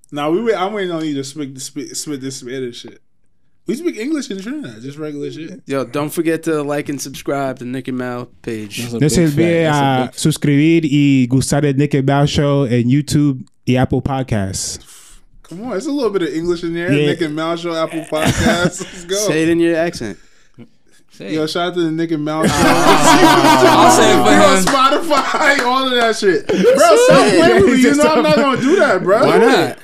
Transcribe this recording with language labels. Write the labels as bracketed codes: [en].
[en] I'm waiting on you to speak this Spanish shit. We speak English in Trinidad, just regular shit. Yo, don't forget to like and subscribe to Nick and Mal page. [es] No se olvide a suscribir y gustar el Nick and Mal show en YouTube. [en] The Apple Podcast. Come on, it's a little bit of English in there. Yeah. Nick and Mal show, Apple Podcast. Let's go. Say it in your accent. Yo, shout out to the Nick and Mal show. I'll say it for him. Spotify, all of that shit. Bro, stop playing with me. You know I'm not going to do that, bro. Why not?